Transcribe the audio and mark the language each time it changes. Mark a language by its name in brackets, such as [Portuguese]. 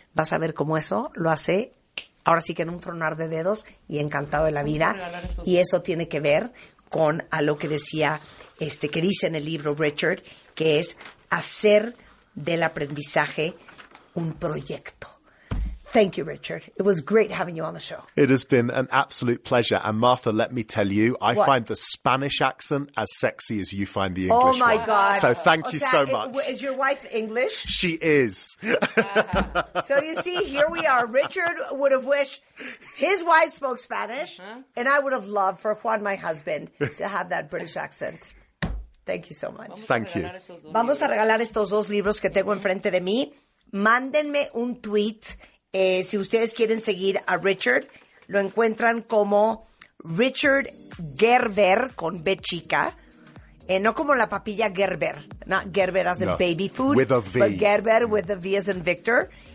[Spanish] Vas a ver cómo eso lo hace ahora sí que en un tronar de dedos y encantado de la vida. Y eso tiene que ver con a lo que decía, que dice en el libro Richard, que es hacer del aprendizaje un proyecto. [English] Thank you, Richard. It was great having you on the show. It has been an absolute pleasure. And Martha, let me tell you, I find the Spanish accent as sexy as you find the English one. Oh, my God. So thank you so much. Is your wife English? She is. So you see, here we are. Richard would have wished his wife spoke Spanish. Uh-huh. And I would have loved for Juan, my husband, to have that British accent. Thank you so much. Thank you. [Spanish] Vamos a regalar estos dos libros que tengo enfrente de mí. Mándenme un tweet. Si ustedes quieren seguir a Richard, lo encuentran como Richard Gerber, con B chica. No como la papilla Gerber. [English] Not Gerber as in baby food. With a V. But Gerber with a V as in Victor.